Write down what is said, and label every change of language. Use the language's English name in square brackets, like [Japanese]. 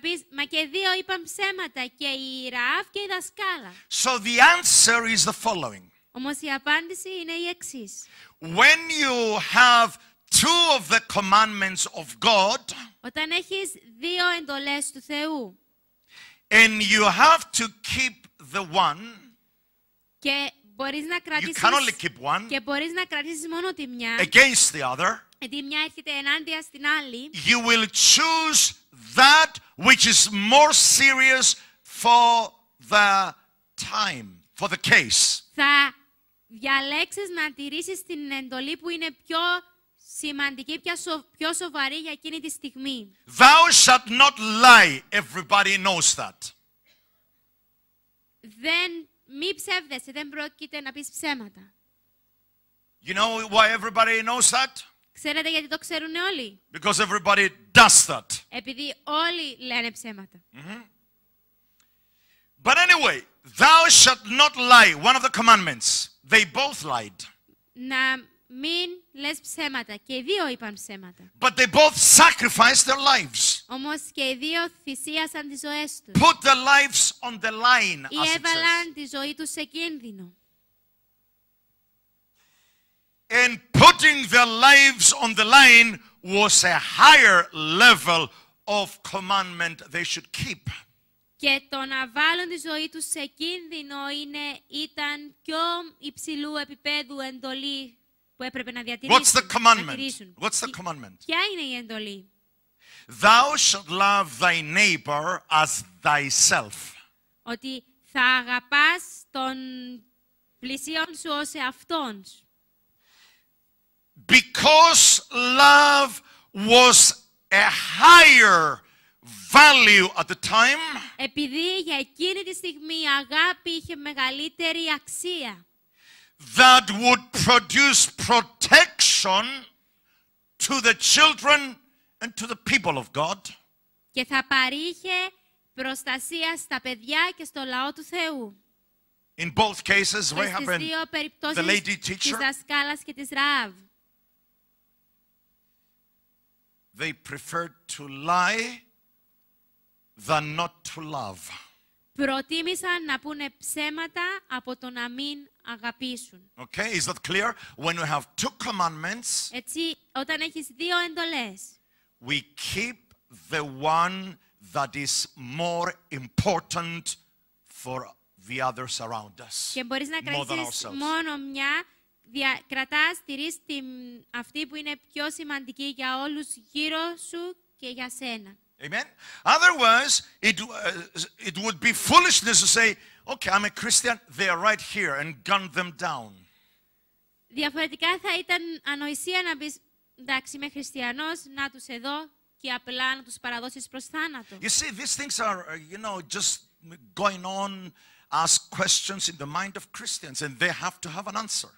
[Greek] Μα και δύο είπαν ψέματα, και η Ραβ και η δασκάλα. [English] So the answer is the following. [Greek] Όμως η απάντηση είναι η εξής. [English] When you have two of the commandments of God, [Greek] όταν έχεις δύο εντολές του Θεού, [English] and you have to keep the one, [Greek] και μπορείς να κρατήσεις, [English] you can only keep one, [Greek] και μπορείς να κρατήσεις μόνο τη μια, [English] against the other, [Greek] τη μια έρχεται ενάντια στην άλλη, [English] you will choose that which is more serious for the time, for the case. [Greek] Θα διαλέξεις να τηρήσεις την εντολή που είναι πιο σημαντική, πιο σοβαρή για εκείνη τη στιγμή. [English] Thou shalt not lie. Everybody knows that. [Greek] Δεν μη ψεύδεσαι, δεν πρόκειται να πεις ψέματα. [English] You know why everybody knows that? [Greek] Ξέρετε γιατί το ξέρουν όλοι? [English] Because everybody does that. [Greek] Επειδή όλοι λένε ψέματα. [English] But anyway, thou shalt not lie. One of the commandments. They both lied. [Greek] Να μην λες ψέματα. Και οι δύο είπαν ψέματα. [English] But they both sacrificed their lives. [Greek] Όμως και οι δύο θυσίασαν τις ζωές τους. [English] Put their lives on the line, [Greek] ή έβαλαν τη ζωή τους σε κίνδυνο. [English] And putting their lives on the line was a higher level of commandment they should keep. [Greek] Και το να βάλουν τη ζωή τους σε κίνδυνο ήταν πιο υψηλού επίπεδου εντολή. [English] What's the commandment? What's the commandment? [Greek] Ποια είναι η εντολή? [English] Thou shalt love thy neighbor as thyself. [Greek] Ότι θα αγαπάς τον πλησίον σου ως εαυτόν σου. [English] Because love was a higher value at the time. [Greek] Επειδή για εκείνη τη στιγμή η αγάπη είχε μεγαλύτερη αξία. [English] That would produce protection to the children and to the people of God. [Greek] Και θα παρήχε προστασία στα παιδιά και στο λαό του Θεού. [English] In both cases, we have the lady teacher. [Greek] Στις δύο περιπτώσεις και της Ραβ. [English] They preferred to lie than not to love. [Greek] Προτίμησαν να πούνε ψέματα από το να μην αγαπήσουν. [English] Okay, is that clear? When we have two commandments, [Greek] έτσι, όταν έχεις δύο εντολές, [English] we keep the one that is more important for the others around us. [Greek] Και μπορείς να κρατήσεις μόνο μια, κρατάς, στηρείς την αυτή που είναι πιο σημαντική για όλους γύρω σου και για σένα. [English] Amen. Otherwise, it would be foolishness to say, "Okay, I'm a Christian. They are right here," and gun them down. [Greek] Διαφορετικά θα ήταν ανοησία να πεις, εντάξει, είμαι χριστιανός, να τους εδώ και απλά να τους παραδώσεις προς θάνατο. [English] You see, these things are, you know, just going on as questions in the mind of Christians, and they have to have an answer.